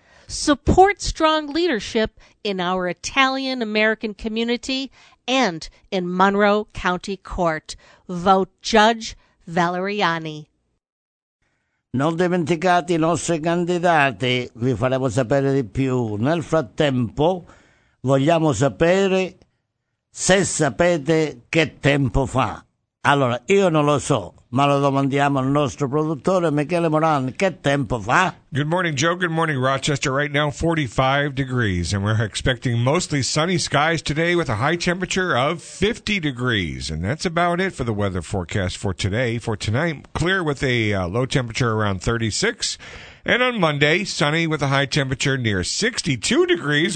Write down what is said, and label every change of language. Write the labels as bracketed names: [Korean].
[English] Support strong leadership in our Italian American community and in Monroe County Court. Vote Judge Valeriani. [Italian] Non dimenticate i nostri candidati, vi faremo sapere di più. Nel frattempo, vogliamo sapere se sapete che tempo fa. Allora, io non lo so, ma lo domandiamo al nostro produttore Michele Moran. Che tempo fa? [English] Good morning, Joe. Good morning, Rochester. Right now, 45 degrees, and we're expecting mostly sunny skies today with a high temperature of 50 degrees. And that's about it for the weather forecast for today. For tonight, clear with a low temperature around 36. And on Monday, sunny with a high temperature near 62 degrees.